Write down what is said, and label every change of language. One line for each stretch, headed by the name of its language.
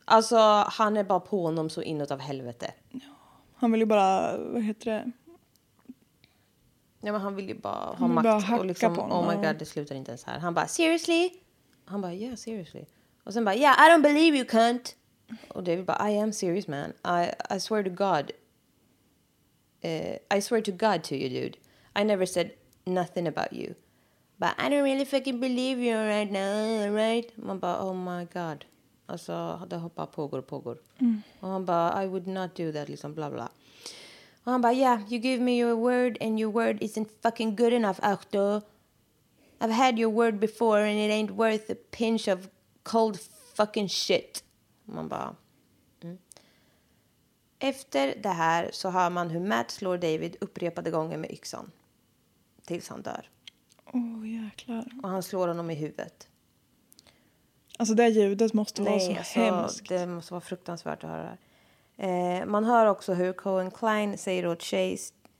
Swedish: Alltså, han är bara på honom så inåt av helvete. Han vill ju bara, vad heter det? Nej, men han vill ju bara ha makt. Bara hacka och liksom, på honom.
English: Oh my god,
Swedish: det slutar inte ens här. Han bara, seriously? Han bara,
English: yeah, seriously.
Swedish: Och sen bara,
English: yeah, I don't believe you, cunt.
Swedish: Och David bara,
English: I am serious, man. I swear to God. I swear to God to you, dude. I never said nothing about you. But I don't really fucking believe you right now, right?
Swedish: Man bara,
English: oh my God.
Swedish: Alltså, det hoppar pågår och pågår. Mm. Och han bara,
English: I would not do that,
Swedish: liksom,
English: bla bla.
Swedish: Och han bara,
English: yeah, you give me your word and your word isn't fucking good enough, Auto. I've had your word before and it ain't worth a pinch of cold fucking shit.
Swedish: Man bara... Mm. Efter det här så hör man hur Matt slår David upprepade gånger med yxan. Tills han dör. Åh, jäklar. Och han slår honom i huvudet. Alltså det ljudet måste vara Nej, så alltså, hemskt. Det måste vara fruktansvärt att höra det här. Man hör också hur Cohen Klein säger åt Chase...